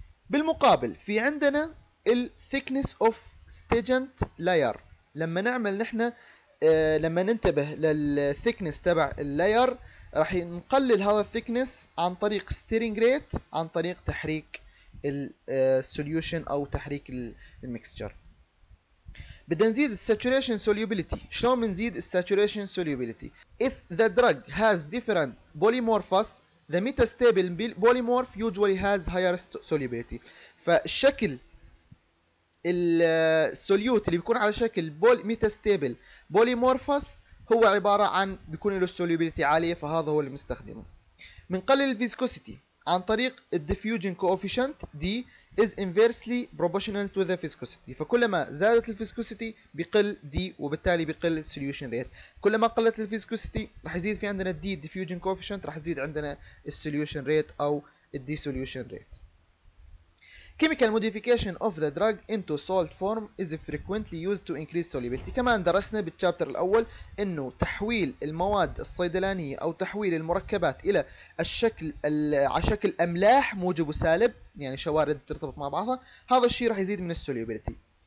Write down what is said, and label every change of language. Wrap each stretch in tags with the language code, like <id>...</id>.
<ar>بالمقابل في عندنا الثيكنس اوف ستيجنت لاير، لما نعمل نحن لما ننتبه للثيكنس تبع اللاير راح نقلل هذا الثيكنس عن طريق ستيرنج ريت عن طريق تحريك السوليوشن او تحريك الميكستشر. بدنا نزيد الساتوريشن سوليوبيليتي، شلون بنزيد الساتوريشن سوليوبيليتي؟</ar> <en>If the drug has different polymorphs the metastable polymorph usually has higher solubility.</en> <ar>فالشكل السوليوت اللي بيكون على شكل ميتاستيبل بوليمورفس هو عباره عن بيكون له سوليوبيليتي عاليه، فهذا هو اللي بنستخدمه. بنقلل الفيسكوسيتي عن طريق الديفيوجن كوفيشنت</ar> <en>D is inversely proportional to the viscosity,</en> <ar>فكلما زادت الفيسكوسيتي بيقل دي وبالتالي بيقل السوليوشن ريت، كلما قلت الفيسكوسيتي راح يزيد في عندنا الدي ديفيوجن كوفيشنت راح يزيد عندنا السوليوشن ريت او الدي سوليوشن ريت.</ar> <en>Chemical modification of the drug into salt form is frequently used to increase solubility.</en> <ar>كمان درسنا بالشابتر الأول إنه تحويل المواد الصيدلانية أو تحويل المركبات إلى الشكل على شكل أملاح موجب وسالب، يعني شوارد ترتبط مع بعضها، هذا الشيء راح يزيد من السوليبيليتي.</ar>